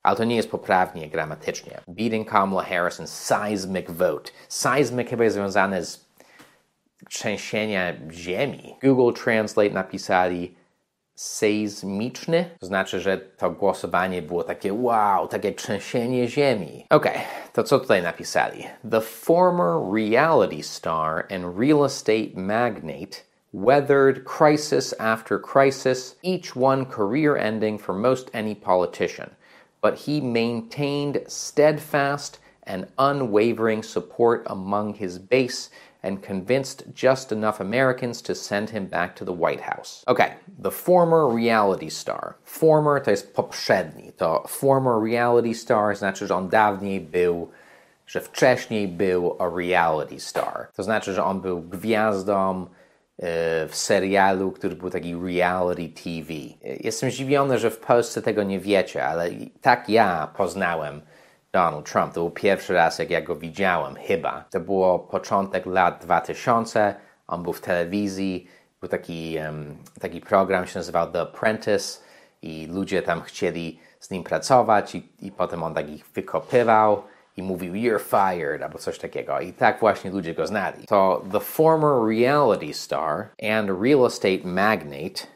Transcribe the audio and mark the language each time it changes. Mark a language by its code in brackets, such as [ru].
[pl] Ale to nie jest poprawnie gramatycznie. [en] Beating Kamala Harris in seismic vote. [pl] Seismic chyba jest związane z trzęsieniem ziemi. Google Translate napisali sejsmiczny. To znaczy, że to głosowanie było takie wow, takie trzęsienie ziemi. Okej, to co tutaj napisali? [en] The former reality star and real estate magnate weathered crisis after crisis, each one career ending for most any politician. But he maintained steadfast and unwavering support among his base and convinced just enough Americans to send him back to the White House. Okay, the former reality star. [pl] Former to jest poprzedni. To [en] former reality star [pl] znaczy, że on dawniej był, że wcześniej był [en] a reality star. [pl] To znaczy, że on był gwiazdą w serialu, który był taki reality TV. Jestem zdziwiony, że w Polsce tego nie wiecie, ale tak ja poznałem Donald Trump. To był pierwszy raz, jak ja go widziałem, chyba. To było początek lat 2000. On był w telewizji. Był taki program, się nazywał The Apprentice i ludzie tam chcieli z nim pracować i potem on tak ich wykopywał i mówił, [en] you're fired, [pl] albo coś takiego. I tak właśnie ludzie go znali. [en] To the former reality star and real estate magnate.